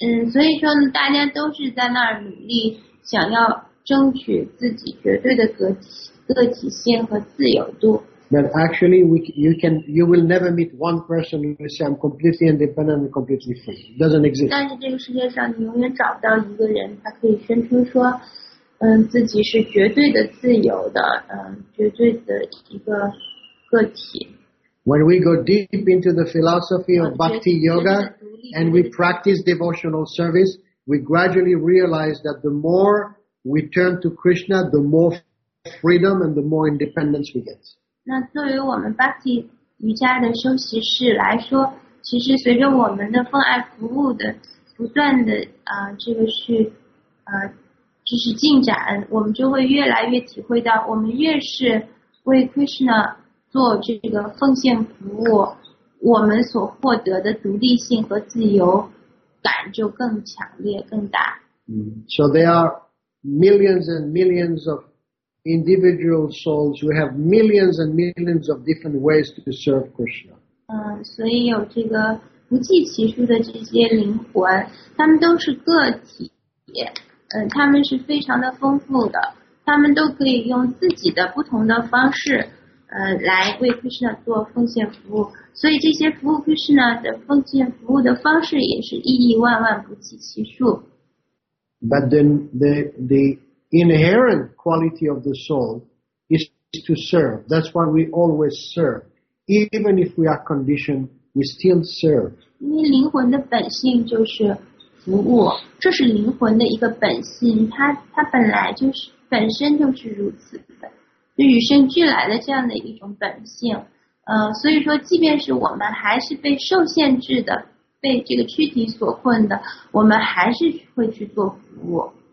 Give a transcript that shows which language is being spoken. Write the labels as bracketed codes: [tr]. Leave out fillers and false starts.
[zh] 所以说大家都是在那儿努力想要。争取自己绝对的个体性和自由度。 [en] But actually, you will never meet one person who says I'm completely independent and completely free. It doesn't exist. [zh] 但是这个世界上，你永远找不到一个人，他可以宣称说，自己是绝对的自由的，绝对的一个个体。 [en] When we go deep into the philosophy of Bhakti Yoga and we practice devotional service, we gradually realize that the more we turn to Krishna, the more freedom and the more independence we get. [zh] 那作为我们 Bhakti 瑜伽的修习士来说，其实随着我们的奉爱服务的不断的这个去就是进展，我们就会越来越体会到，我们越是为 Krishna 做这个奉献服务，我们所获得的独立性和自由感就更强烈更大。 [en] So they areMillions and millions of individual souls who have millions and millions of different ways to serve Krishna. [zh] 所以有这个不计其数的这些灵魂，他们都是个体，他们是非常的丰富的，他们都可以用自己的不同的方式，来为 Krishna 做奉献服务。所以这些服务 Krishna 的奉献服务的方式也是亿亿万万不计其数。 [en] But then the inherent quality of the soul is to serve. That's why we always serve. Even if we are conditioned, we still serve. [zh] 因为灵魂的本性就是服务，这是灵魂的一个本性，它本来就是本身就是如此的，就与生俱来的这样的一种本性。所以说即便是我们还是被受限制的，被这个躯体所困的，我们还是会去做服务。